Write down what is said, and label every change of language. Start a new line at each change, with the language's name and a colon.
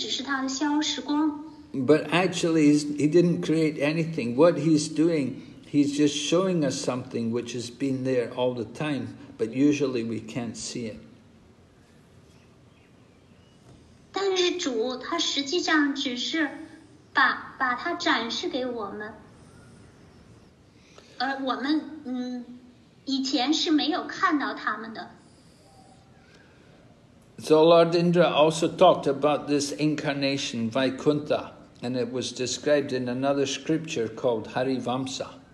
Chinese: 主，有的时候假装创造，而这只是他的消时光。
English: But actually, he didn't create anything. What he's doing, he's just showing us something which has been there all the time, but usually we can't see it.
Chinese: 但是主，他实际上只是把它展示给我们，而我们。
English: So Lord Indra also talked about this incarnation, Vaikuntha, and it was described in another scripture called Harivamsa.